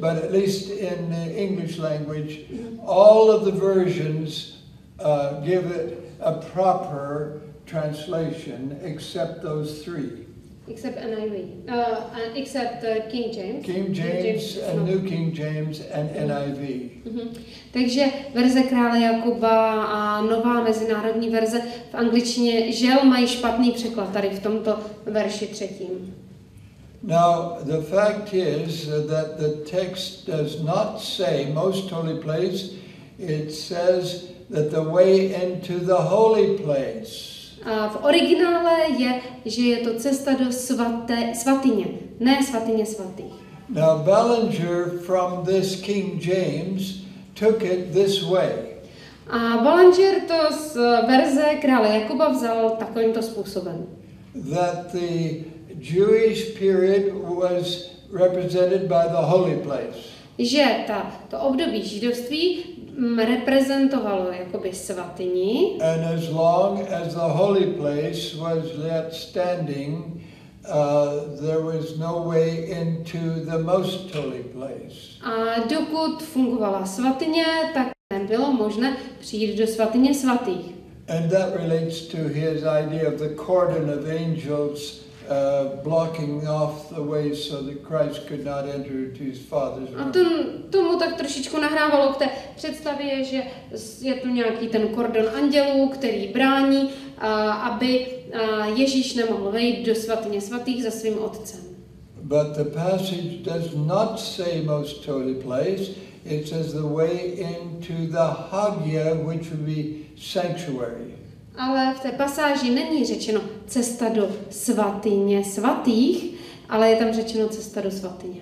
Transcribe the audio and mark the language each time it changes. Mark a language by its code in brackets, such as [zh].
[en] But at least in the English language, mm-hmm. all of the versions give it a proper translation, except those three. Except NIV. Except King James. King James and New King James and NIV. Mm-hmm. [cs] Takže verze krále Jakuba a nová mezinárodní verze v angličtině žel mají špatný překlad tady v tomto verši třetím. [en] Now the fact is that the text does not say most holy place. It says that the way into the holy place. [cs] A v originále je, že je to cesta do svatyně, ne svatyně svatých. [en] Now Ballinger from this King James took it this way. [cs] A Ballinger to z verze krále Jakuba vzal takovýmto způsobem. [en] That the Jewish period was represented by the holy place. [cs] Že to období židovství reprezentovalo jakoby svatyni. [en] And as long as the holy place was yet standing, there was no way into the most holy place. [cs] A dokud fungovala svatyně, tak nebylo možné přijít do svatyně svatých. [en] And that relates to his idea of the cordon of angels blocking off the way so that Christ could not enter to his father's room. [cs] A to tomu tak trošičku nahrávalo k té představě, že je tu nějaký ten kordon andělů, který brání, aby Ježíš nemohl vejít do svatyně svatých za svým otcem. [en] But the passage does not say most holy place. It says the way into the Hagia, which would be sanctuary. [cs] Ale v té pasáži není řečeno cesta do svatyně svatých, ale je tam řečeno cesta do svatyně.